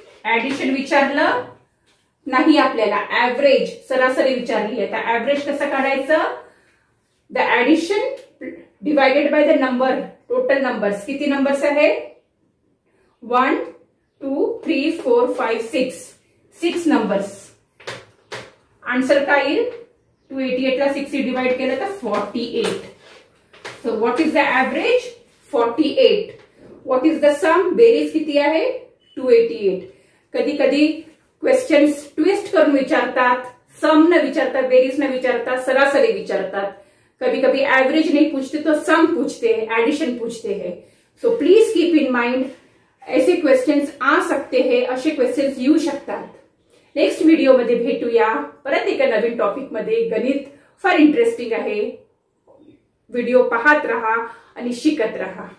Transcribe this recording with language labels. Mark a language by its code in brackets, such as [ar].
[mr] Addition विचारलं नाही आपल्याला, ऍव्हरेज सरासरी विचारली आहे, तर ऍव्हरेज कसं काढायचं, [en] the addition divided by the number, [mr] total numbers किती नंबर्स आहे, 1, 2, 3, 4, 5, 6 6 नंबर्स आंसर काय येईल, 288 ला 6 डिवाइड केलं तर 48। [en] So what is the average, 48। What is the sum, [mr] बेरीज किती आहे, [en] 288। [mr] कधी कधी क्वेश्चन्स ट्विस्ट करून विचारतात, सम न विचारता, बेरीज न विचारता सरासरी विचारतात, [hi] कभी कभी एवरेज नहीं पूछते तो सम पूछते हैं, एडिशन पूछते हैं। [en] so please keep in mind, [hi] ऐसे क्वेश्चन्स आ सकते हैं, [mr] असे क्वेश्चन्स येऊ शकतात। नेक्स्ट व्हिडिओ मध्ये भेटूया परत एका नवीन टॉपिक मध्ये, गणित फार इंटरेस्टिंग आहे, व्हिडिओ पाहत रहा आणि शिकत रहा।